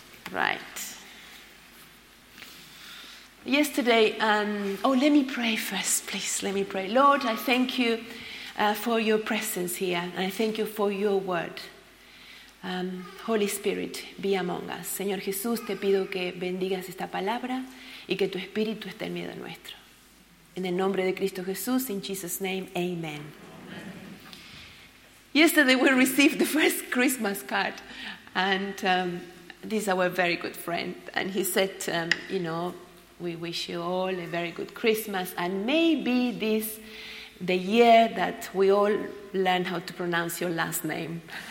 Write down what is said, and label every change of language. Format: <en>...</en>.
<en>Right. Yesterday, let me pray first, please. Let me pray. Lord, I thank you for your presence here. And I thank you for your word. Holy Spirit, be among us.</en> <es>Señor Jesús, te pido que bendigas esta palabra y que tu espíritu esté en medio nuestro. En el nombre de Cristo Jesús,</es> <en>in Jesus' name,</en> <es>amen.</es> <en>Yesterday we received the first Christmas card, and this is our very good friend, and he said, we wish you all a very good Christmas, and maybe this the year that we all learn how to pronounce your last name.</en>